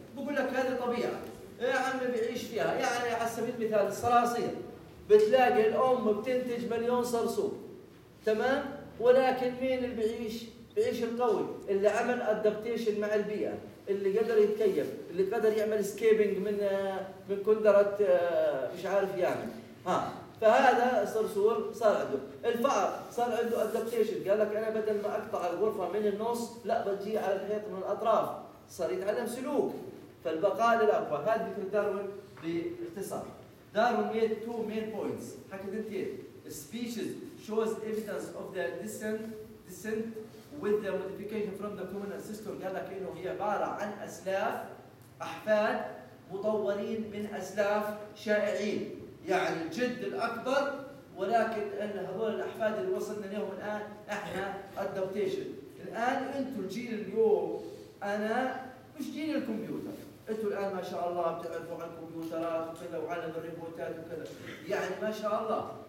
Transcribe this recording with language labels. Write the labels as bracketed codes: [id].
[ar] بقول لك هذه طبيعة. يا عمي بيعيش فيها، يعني على سبيل المثال الصراصير بتلاقي الأم بتنتج مليون صرصور، تمام؟ ولكن مين اللي بيعيش؟ بيعيش القوي اللي عمل أدابتيشن مع البيئة، اللي قدر يتكيف، اللي قدر يعمل سكيبنج من كندرة مش عارف يعني. ها فهذا الصرصور صار عنده، الفأر صار عنده أدابتيشن، قال لك أنا بدل ما أقطع الغرفة من النص لا بجي على الحيط من الأطراف، صار يتعلم سلوك. فالبقاء للأقوى، هذه فكرة داروين باختصار. [en] Darwin made two main points. [ar] حكيت انت [en] species shows evidence of their descent with the modification from the common ancestor. [ar] قال لك انه هي عبارة عن أسلاف أحفاد مطورين من أسلاف شائعين، يعني الجد الأكبر، ولكن ان هذول الأحفاد اللي وصلنا لهم الآن احنا adaptation. الآن انتوا الجيل اليوم، انا مش جيل الكمبيوتر، انتوا الان ما شاء الله بتعرفوا عن الكمبيوترات وكذا وعلى الريبوتات وكذا، يعني ما شاء الله.